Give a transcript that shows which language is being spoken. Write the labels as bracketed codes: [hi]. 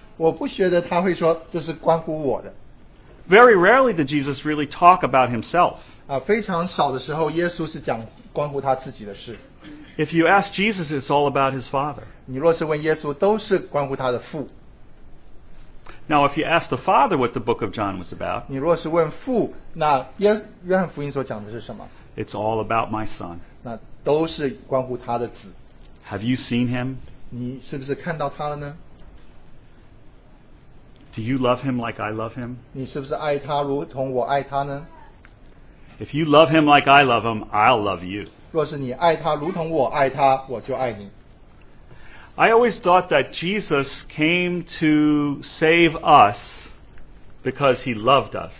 [zh] 我不觉得他会说这是关乎我的。 [en] Very rarely did Jesus really talk about himself. [zh] 非常少的时候耶稣是讲关乎他自己的事。 [en] If you ask Jesus, it's all about his Father. [zh] 你若是问耶稣都是关乎他的父。 [en] Now, if you ask the Father what the book of John was about, [zh] 你若是问父, 那约翰福音所讲的是什么? [en] It's all about my Son. [zh] 那都是关乎他的子。 [en] Have you seen him? [zh] 你是不是看到他了呢? [en] Do you love him like I love him? [zh] 你是不是爱他如同我爱他呢? [en] If you love him like I love him, I'll love you. [zh] 若是你爱他如同我爱他, 我就爱你。 [en] I always thought that Jesus came to save us because he loved us.